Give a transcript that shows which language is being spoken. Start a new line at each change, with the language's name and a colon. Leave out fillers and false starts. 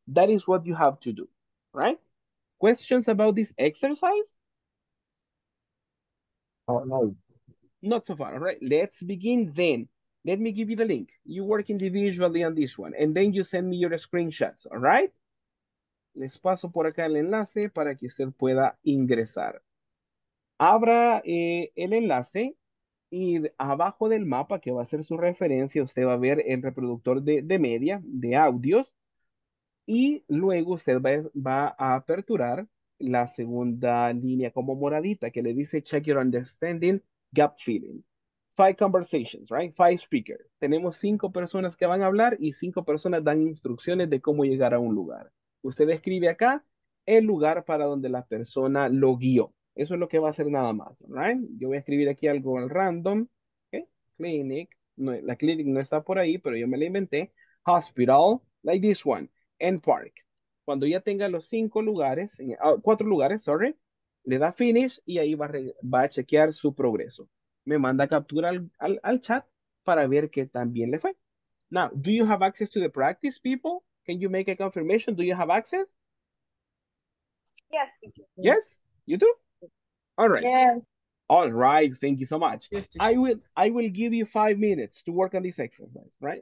English: That is what you have to do, right? Questions about this exercise? Oh, no. Not so far, all right? Let's begin then. Let me give you the link. You work individually on this one, and then you send me your screenshots, all right?
Spanish: Les paso por acá el enlace para que usted pueda ingresar. Abra el enlace y abajo del mapa, que va a ser su referencia, usted va a ver el reproductor de media, de audios, y luego usted va a aperturar la segunda línea como moradita que le dice Check Your Understanding, Gap Filling.
English: Five conversations, right? Five speakers.
Spanish: Tenemos cinco personas que van a hablar y cinco personas dan instrucciones de cómo llegar a un lugar. Usted escribe acá el lugar para donde la persona lo guió. Eso es lo que va a hacer nada más, right? Yo voy a escribir aquí algo al random. Okay? Clinic. No, la clinic no está por ahí, pero yo me la inventé. Hospital,
English: like this one. And park.
Spanish: Cuando ya tenga los cinco lugares, cuatro lugares, sorry, le da finish y ahí va a chequear su progreso. Me manda captura al chat para ver qué tan bien le fue.
English: Now, do you have access to the practice, people? Can you make a confirmation? Do you have access? Yes. Yes, you do? All right. Yeah. All right, thank you so much. I will give you 5 minutes to work on this exercise, right?